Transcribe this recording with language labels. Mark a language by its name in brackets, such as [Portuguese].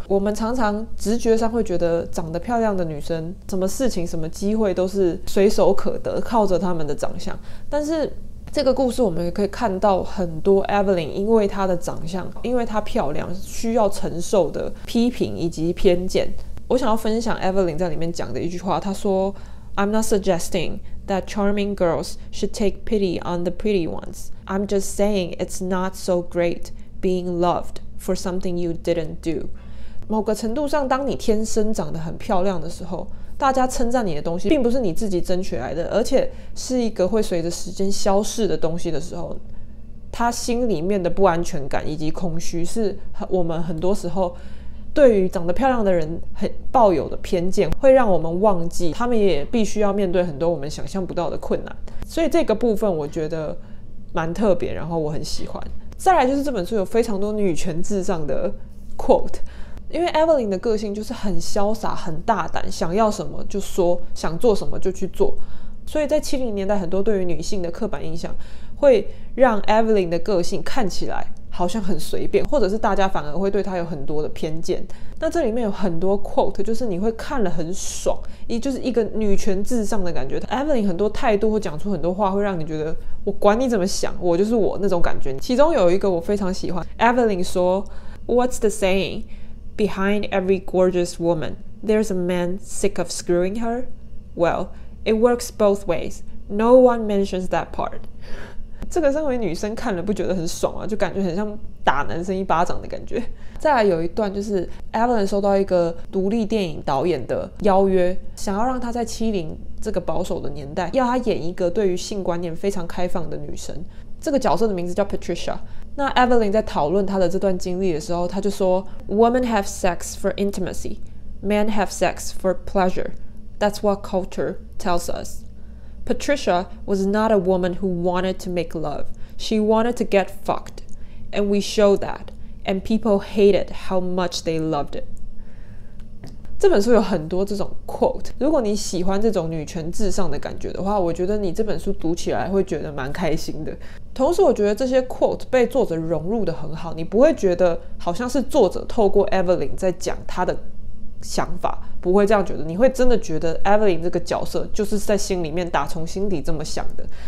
[Chinese] 我们常常直觉上会觉得长得漂亮的女生什么事情什么机会都是随手可得，靠着她们的长相。但是这个故事我们也可以看到很多 Evelyn 因为她的长相，因为她漂亮需要承受的批评以及偏见。我想要分享 Evelyn 在里面讲的一句话，她说 [English] I'm not suggesting that charming girls should take pity on the pretty ones. I'm just saying it's not so great being loved for something you didn't do. [Chinese] 某个程度上，当你天生长得很漂亮的时候，大家称赞你的东西并不是你自己争取来的，而且是一个会随着时间消逝的东西的时候，她心里面的不安全感以及空虚是我们很多时候对于长得漂亮的人很抱有的偏见，会让我们忘记他们也必须要面对很多我们想象不到的困难。所以这个部分我觉得蛮特别，然后我很喜欢。再来就是这本书有非常多女权至上的 quote， 因为 Evelyn 的个性就是很潇洒很大胆，想要什么就说，想做什么就去做。所以在70年代很多对于女性的刻板印象会让 Evelyn 的个性看起来好像很随便，或者是大家反而会对他有很多的偏见。那这里面有很多 quote， 就是你会看了很爽，也就是一个女权至上的感觉。 Evelyn 很多态度或讲出很多话会让你觉得我管你怎么想，我就是我那种感觉。其中有一个我非常喜欢， Evelyn 说 [English] What's the saying? Behind every gorgeous woman there's a man sick of screwing her? Well, it works both ways. No one mentions that part。 [Chinese] 这个身为女生看了不觉得很爽啊，就感觉很像打男生一巴掌的感觉。再来有一段就是 Evelyn 收到一个独立电影导演的邀约，想要让她在70这个保守的年代要她演一个对于性观念非常开放的女生。这个角色的名字叫 Patricia。那 Evelyn 在讨论她的这段经历的时候，她就说 [English] Women have sex for intimacy, men have sex for pleasure. That's what culture tells us. Patricia was not a woman who wanted to make love. She wanted to get fucked. And we show that. and people hated how much they loved it. [Chinese] 这本书有很多这种 quote， 如果你喜欢这种女权至上的感觉的话，我觉得你这本书读起来会觉得蛮开心的。同时我觉得这些 quote 被作者融入得很好，你不会觉得好像是作者透过 Evelyn 在讲她的想法，不会这样觉得，你会真的觉得 Evelyn 这个角色就是在心里面打从心底这么想的。